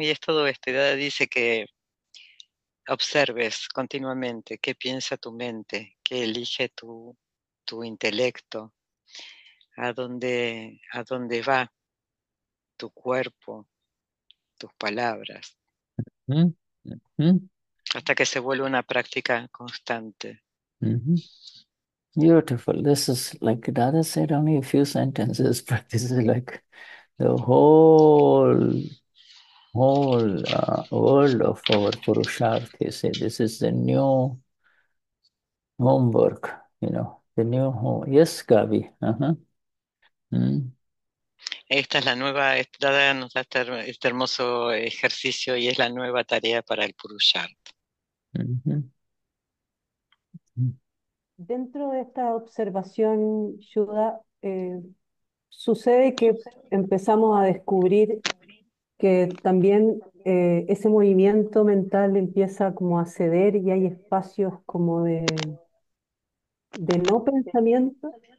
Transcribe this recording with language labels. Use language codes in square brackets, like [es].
[es] Y es todo esto, y dice que observes continuamente qué piensa tu mente, qué elige tu intelecto, a dónde va tu cuerpo, tus palabras, hasta que se vuelve una práctica constante. [en] Beautiful. This is like Dada said, only a few sentences, but this is like the whole world of our Purusharth. You say this is the new homework, you know. The new home. Yes, Gabi. [es] Esta es la nueva, Dada nos da este hermoso ejercicio y es la nueva tarea para el Purusharth. Dentro de esta observación, Yuda, sucede que empezamos a descubrir que también ese movimiento mental empieza como a ceder y hay espacios como de no pensamiento.